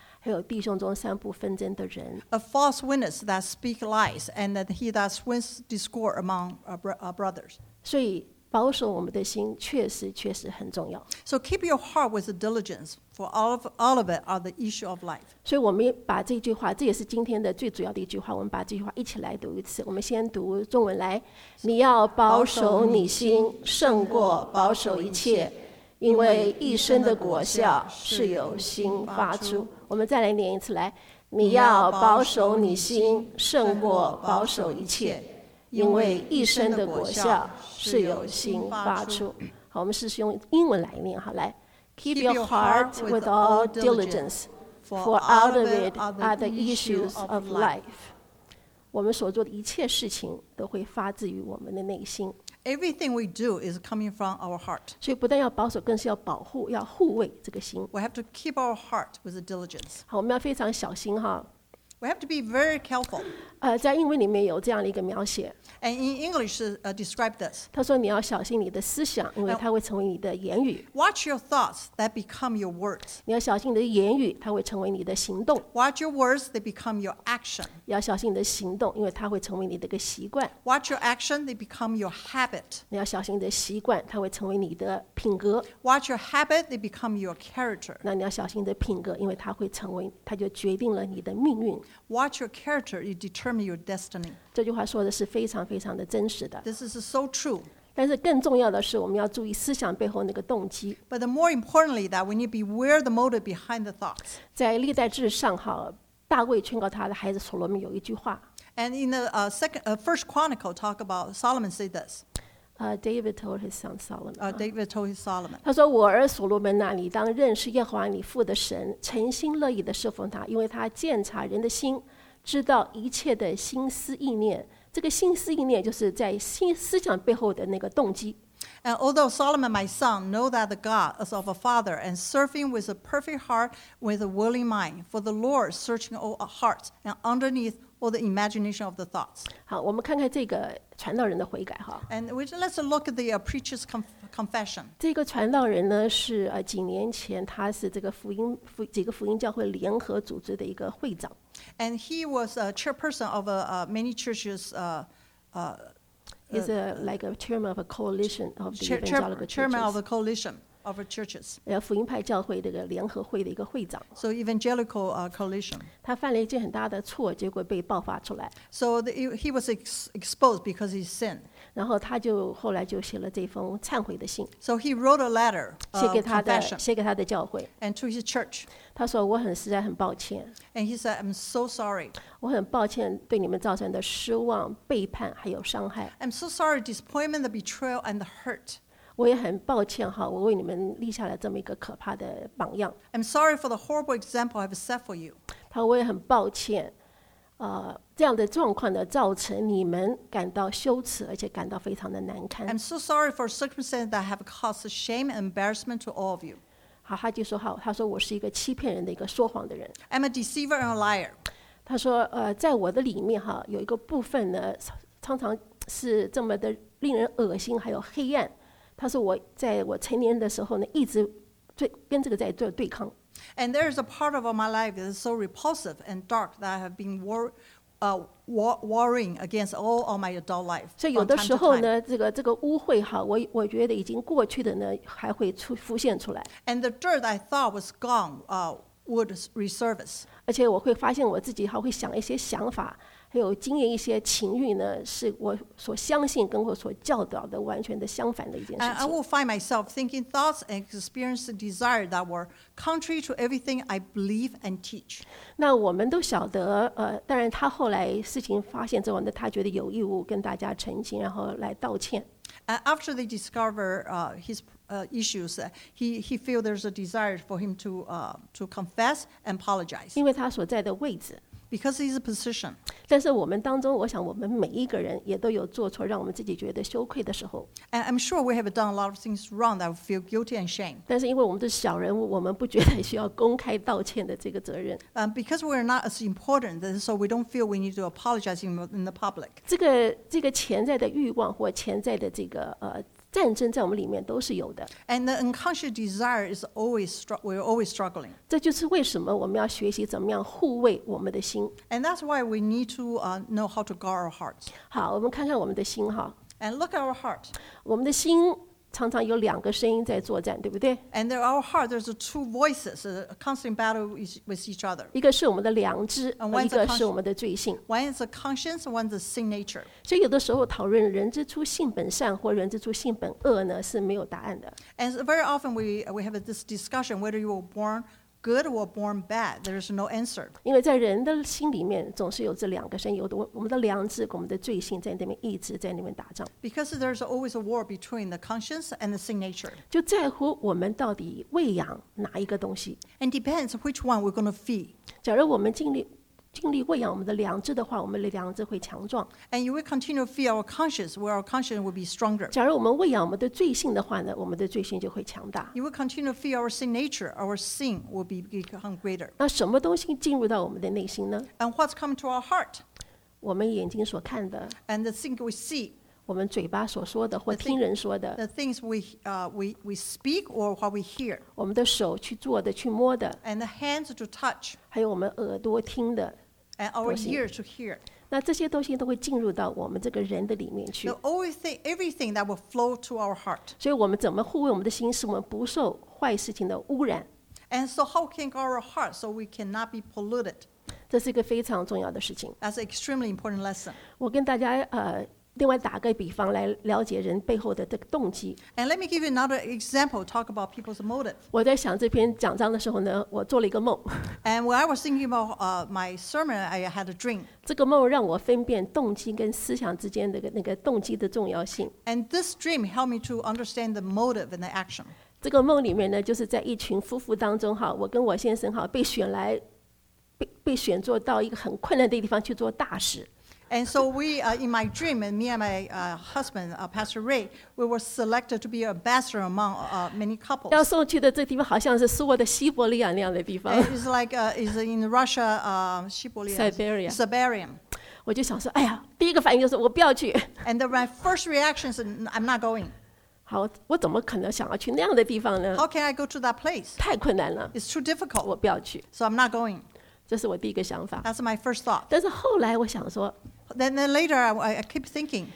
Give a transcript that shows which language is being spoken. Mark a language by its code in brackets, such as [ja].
[zh] 还有弟兄中散布纷争的人 [en] ，a false witness that speak lies, and that he that swings discord among our brothers. [zh] 所以保守我们的心确实很重要。 [en] So keep your heart with diligence, for all of it are the issue of life. [zh] 所以我们把这句话，这也是今天的最主要的一句话。我们把这句话一起来读一次。我们先读中文来：你要保守你心，胜过保守一切，因为一生的果效是由心发出。我们再来念一次，来，你要保守你心，胜过保守一切，因为一生的果效是由心发出。好，我们试试用英文来念，好，来 [en] ，Keep your heart with all diligence, for out of it are the issues of life. [zh] 我们所做的一切事情都会发自于我们的内心。 [en] Everything we do is coming from our heart. [zh] 所以不但要保守，更是要保护，要护卫这个心。 [en] We have to keep our heart with diligence. [zh] 好，我们要非常小心哈。 [en] We have to be very careful. [zh] 在英文里面有这样的一个描写。 [en] And in English, describe this. [zh] 他说你要小心你的思想，因为它会成为你的言语。 [en] Watch your thoughts that become your words. [zh] 你要小心你的言语，它会成为你的行动。 [en] Watch your words that become your action. [zh] 要小心你的行动，因为它会成为你的一个习惯。 [en] Watch your action that become your habit. [zh] 你要小心你的习惯，它会成为你的品格。 [en] Watch your habit that become your character. [zh] 那你要小心你的品格，因为它会成为，它就决定了你的命运。 [en] Watch your character, it determines your destiny. [zh] 这句话说的是非常非常的真实的。 [en] This is so true. [zh] 但是更重要的是，我们要注意思想背后那个动机。 [en] But the more importantly, that we need to be aware of the motive behind the thoughts. [zh] 在历代志上，哈，大卫劝告他的孩子所罗门有一句话。 [en] And in the first chronicle, talk about Solomon said this. David told his son Solomon. David told his Solomon. [zh] 他说：“我儿所罗门啊，你当认识耶和华你父的神，诚心乐意的侍奉他，因为他鉴察人的心，知道一切的心思意念。这个心思意念就是在心思想背后的那个动机。” [en] And although Solomon, my son, know that the God is of a father and serving with a perfect heart with a willing mind, for the Lord searching all hearts and underneath. Or the imagination of the thoughts. [zh] 好，我们看看这个传道人的悔改哈。 [en] And let's look at the preacher's confession. [zh] 这个传道人呢是几年前他是这个几个福音教会联合组织的一个会长。 [en] And he was a chairperson of many churches. He's like a chairman of a coalition of the evangelical churches. Chairman of a coalition. Of churches. [zh] 福音派教会这个联合会的一个会长。 [en] So evangelical coalition. [zh] 他犯了一件很大的错，结果被爆发出来。 [en] So he was exposed because he sinned. [zh] 然后他就后来就写了这封忏悔的信。 [en] So he wrote a letter. [zh] 写给他的教会。 [en] And to his church. [zh] 他说我很实在很抱歉。 [en] And he said I'm so sorry. [zh] 我很抱歉对你们造成的失望、背叛还有伤害。 [en] I'm so sorry disappointment, the betrayal, and the hurt. [zh] 我也很抱歉哈，我为你们立下了这么一个可怕的榜样。 [en] I'm sorry for the horrible example I've set for you. [zh] 他说我也很抱歉，这样的状况呢，造成你们感到羞耻，而且感到非常的难堪。 [en] I'm so sorry for circumstances that have caused shame and embarrassment to all of you. [zh] 好，他就说好，他说我是一个欺骗人的一个说谎的人。 [en] I'm a deceiver and a liar. [zh] 他说在我的里面哈，有一个部分呢，常常是这么的令人恶心，还有黑暗。他说我在我成年的时候呢，一直跟这个在做对抗。 [en] And there is a part of my life that is so repulsive and dark that I have been warring against all of my adult life. [zh] 所以有的时候呢，这个污秽哈，我觉得已经过去的呢，还会浮现出来。 [en] And the dirt I thought was gone, would resurface. [zh] 而且我会发现我自己还会想一些想法。还有经验一些情欲呢，是我所相信跟我所教导的完全的相反的一件事情。 [en] I will find myself thinking thoughts and experiencing desires that were contrary to everything I believe and teach. [zh] 那我们都晓得，当然他后来事情发现之后呢，他觉得有义务跟大家澄清，然后来道歉。 [en] After they discover his issues, he feels there's a desire for him to confess and apologize. [zh] 因为他所在的位置。 [en] Because he's a position. [zh] 但是我们当中，我想我们每一个人也都有做错，让我们自己觉得羞愧的时候。 [en] And I'm sure we have done a lot of things wrong that feel guilty and shame. [zh] 但是因为我们是小人物，我们不觉得需要公开道歉的这个责任。 [en] Because we're not as important, so we don't feel we need to apologize in the public. [zh] 这个潜在的欲望或潜在的这个战争在我们里面都是有的。 [en] And the unconscious desire is always we're always struggling. [zh] 这就是为什么我们要学习怎么样护卫我们的心。 [en] And that's why we need to know how to guard our hearts. [zh] 好，我们看看我们的心哈。 [en] And look at our hearts. [zh] 我们的心常常有两个声音在作战，对不对 [en] ？And there our heart, there's two voices, a constant battle with each other. [zh] 一个是我们的良知，一个是我们的罪性。 [en] One is a conscience, one is a sin nature. [zh] 所以有的时候讨论人之初性本善或人之初性本恶呢，是没有答案的。 [en] And very often we have this discussion whether you were born good or born bad. There is no answer. [zh] 因为在人的心里面总是有这两个声音，有的我们的良知跟我们的罪性在那边一直在那边打仗。 [en] Because there is always a war between the conscience and the sin nature. [zh] 就在乎我们到底喂养哪一个东西。 [en] And depends which one we're going to feed. [zh] 假如我们经历尽力喂养我们的良知的话，我们的良知会强壮。 [en] And you will continue to feed our conscience, where our conscience will be stronger. [zh] 假如我们喂养我们的罪性的话呢，我们的罪性就会强大。 [en] You will continue to feed our sin nature, our sin will become greater. [zh] 那什么东西进入到我们的内心呢？ [en] And what's come to our heart? [zh] 我们眼睛所看的。 [en] And the things we see. [zh] 我们嘴巴所说的或听人说的 [en] the things we speak or what we hear [zh] 我们的手去做的去摸的 [en] and the hands to touch [zh] 还有我们耳朵听的 [en] and our ears to hear [zh] 那这些东西都会进入到我们这个人的里面去 [en] everything that will flow to our heart [zh] 所以我们怎么护卫我们的心使我们不受坏事情的污染 [en] and so how can guard our heart so we cannot be polluted [zh] 这是一个非常重要的事情 [en] that's an extremely important lesson [zh] 我跟大家另外打个比方来了解人背后的这个动机。 [en] And let me give you another example, talk about people's motive. [zh] 我在想这篇讲章的时候呢，我做了一个梦。 [en] And when I was thinking about my sermon, I had a dream. [zh] 这个梦让我分辨动机跟思想之间的那个动机的重要性。 [en] And this dream helped me to understand the motive and the action. [zh] 这个梦里面呢，就是在一群夫妇当中哈，我跟我先生哈被选来被选做到一个很困难的地方去做大使。 [en] And so we, in my dream, and me and my husband, Pastor Ray, we were selected to be an ambassador among many couples. [zh] 要送去的这地方好像是苏俄的西伯利亚那样的地方。 [en] It's like, it's in Russia, Siberia. Siberia. Siberia. [zh] 我就想说，哎呀，第一个反应就是我不要去。 [en] And my first reaction is, I'm not going. [zh] 好，我怎么可能想要去那样的地方呢 [en] ？How can I go to that place? [zh] 太困难了。 [en] It's too difficult. [zh] 我不要去。 [en] So I'm not going. [zh] 这是我第一个想法。 [en] That's my first thought. [zh] 但是后来我想说 [en] then later I keep thinking.